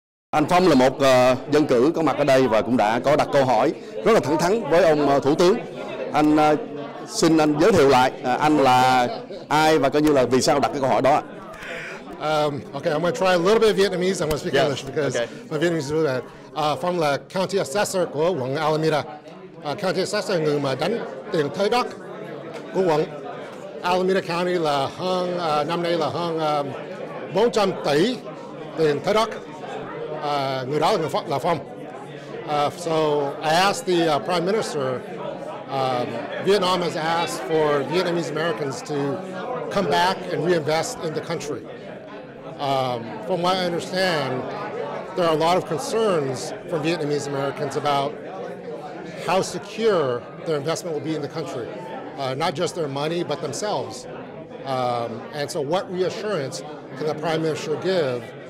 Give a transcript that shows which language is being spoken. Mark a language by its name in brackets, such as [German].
[Vietnamese] Anh Phong là một dân cử có mặt ở đây và cũng đã có đặt câu hỏi rất là thẳng thắn với ông Thủ tướng. Anh xin anh giới thiệu lại anh là ai và coi như là vì sao đặt cái câu hỏi đó. [English] Okay, I'm going to try a little bit of Vietnamese. I'm going to speak yeah, English because okay. My Vietnamese is really bad. [Vietnamese] Phong là County Assessor của quận Alameda. County Assessor là người mà đánh tiền thuế đất của quận Alameda County là hơn, năm nay là hơn 400 tỷ tiền thuế đất. Người đó là người Phong. [English] So I asked the Prime Minister, Vietnam has asked for Vietnamese Americans to come back and reinvest in the country. From what I understand, there are a lot of concerns from Vietnamese Americans about how secure their investment will be in the country, not just their money, but themselves. And so what reassurance can the Prime Minister give